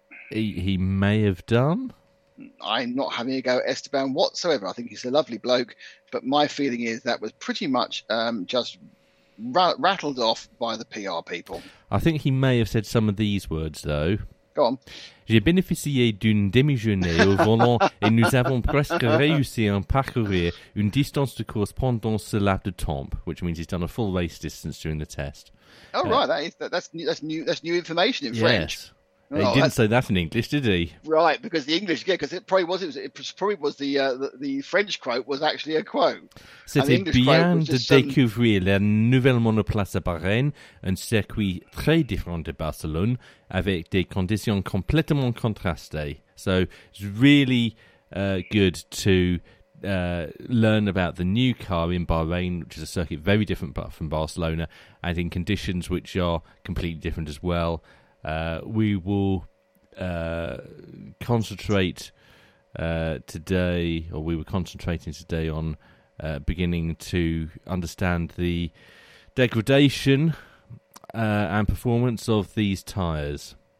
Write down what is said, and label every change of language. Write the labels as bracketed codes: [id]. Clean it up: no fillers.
[en] He may have done. I'm not having a go at Esteban whatsoever. I think he's a lovely bloke, but my feeling is that was pretty much just rattled off by the PR people. I think he may have said some of these words, though. Go on. [fr] J'ai bénéficié d'une demi-journée au volant et nous avons presque réussi à parcourir une distance de course pendant ce laps de temps, [en] which means he's done a full race distance during the test. Oh, right. That's new information in French. Yes. He didn't say that in English, did he? Right, because the English, because it probably was the French quote was actually a quote. [fr] C'était bien de découvrir la nouvelle monoplace à Bahrein, un circuit très différent de Barcelone, avec des conditions complètement contrastées. [en] So it's really good to learn about the new car in Bahrain, which is a circuit very different from Barcelona, and in conditions which are completely different as well. We will concentrate today, or we were concentrating today on beginning to understand the degradation and performance of these tyres.